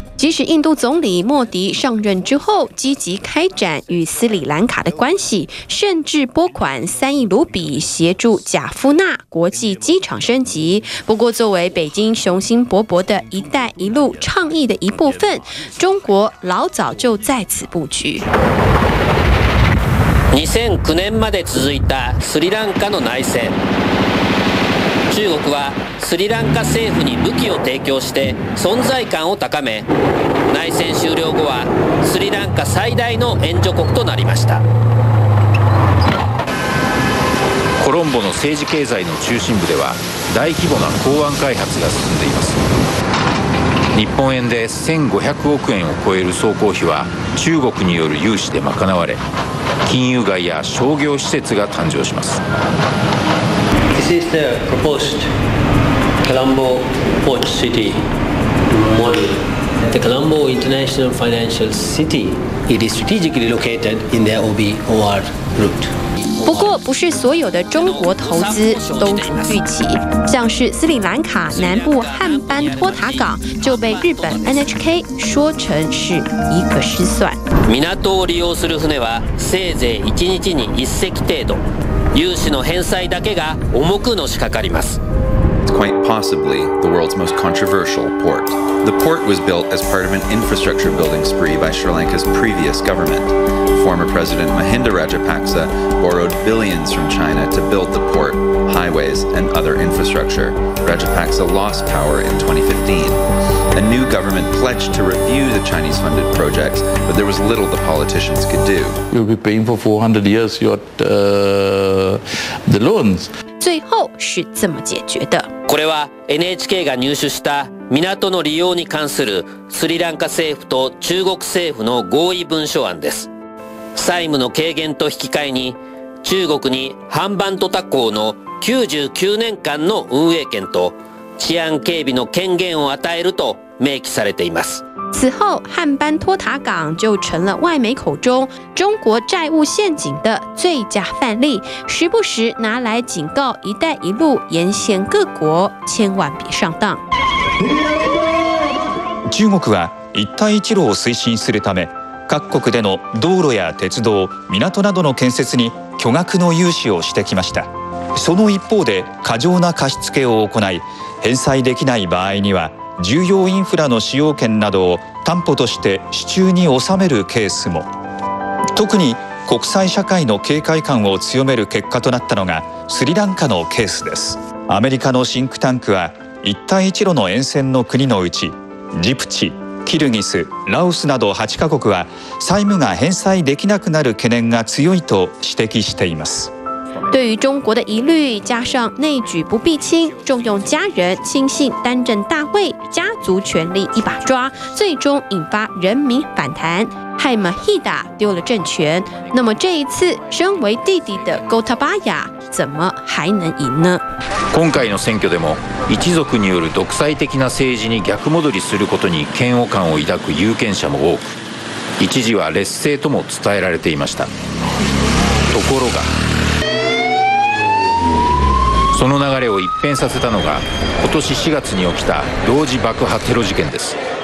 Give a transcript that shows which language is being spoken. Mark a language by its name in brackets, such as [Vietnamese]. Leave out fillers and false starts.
[Chinese] 即使印度总理莫迪上任之后积极开展与斯里兰卡的关系，甚至拨款3亿卢比协助贾夫纳国际机场升级，不过作为北京雄心勃勃的一带一路倡议的一部分，中国老早就在此布局。 [Japanese] 2009年まで続いたスリランカの内戦、中国はスリランカ政府に武器を提供して存在感を高め、内戦終了後はスリランカ最大の援助国となりました。コロンボの政治経済の中心部では大規模な港湾開発が進んでいます。日本円で1500億円を超える総工費は中国による融資で賄われ、金融街や商業施設が誕生します。 [English] This is the proposed Colombo Port City model. The Colombo International Financial City. It is strategically located in their OBOR route. [Chinese] 不过不是所有的中国投资都如预期，像是斯里兰卡南部汉班托塔港就被日本 NHK 说成是一个失算。 [Japanese] 港を利用する船はせいぜい1日に1隻程度、融資の返済だけが重くのしかかります。 [English] Quite possibly the world's most controversial port. The port was built as part of an infrastructure building spree by Sri Lanka's previous government. Former President Mahinda Rajapaksa borrowed billions from China to build the port, highways, and other infrastructure. Rajapaksa lost power in 2015. A new government pledged to review the Chinese-funded projects, but there was little the politicians could do. You'll be paying for 400 years your the loans. [Chinese] 最后是这么解决的。 [Japanese] これは NHK が入手した港の利用に関するスリランカ政府と中国政府の合意文書案です。債務の軽減と引き換えに、中国にハンバントタ港の99年間の運営権と治安警備の権限を与えると明記されています。 [Chinese] 此后，汉班托塔港就成了外媒口中中国债务陷阱的最佳范例，时不时拿来警告“一带一路”沿线各国千万别上当。 [Japanese] 中国は一帯一路を推進するため、各国での道路や鉄道、港などの建設に巨額の融資をしてきました。その一方で過剰な貸付を行い、返済できない場合には。重要インフラの使用権などを担保として手中に収めるケースも。特に国際社会の警戒感を強める結果となったのがスリランカのケースです。アメリカのシンクタンクは一帯一路の沿線の国のうち、ジブチ、キルギス、ラオスなど8カ国は債務が返済できなくなる懸念が強いと指摘しています。 [Chinese] 对于中国的疑虑，加上内举不避亲、重用家人、亲信担任大位、家族权力一把抓，最终引发人民反弹，害马希达丢了政权。那么这一次，身为弟弟的 Gotabaya 怎么还能赢呢？ [Japanese] 今回の選挙でも一族による独裁的な政治に逆戻りすることに嫌悪感を抱く有権者も多く、一時は劣勢とも伝えられていました。ところがその流れを一変させたのが今年4月に起きた同時爆破テロ事件です。